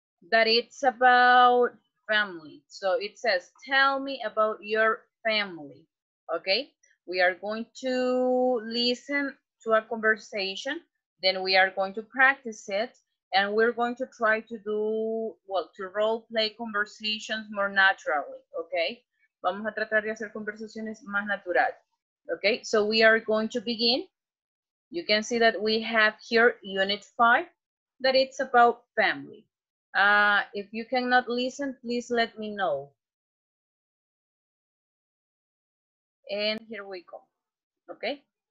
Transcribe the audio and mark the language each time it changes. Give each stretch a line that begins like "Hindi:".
English: That it's about family. So it says, tell me about your family. Okay. We are going to listen to a conversation. Then we are going to practice it. And we're going to try to do, well, to role play conversations more naturally. Okay.
Spanish: Vamos a tratar de hacer conversaciones más natural.
English: Okay. So we are going to begin. You can see that we have here unit 5, that it's about family. If you cannot listen, please let me know. And here we go. Okay.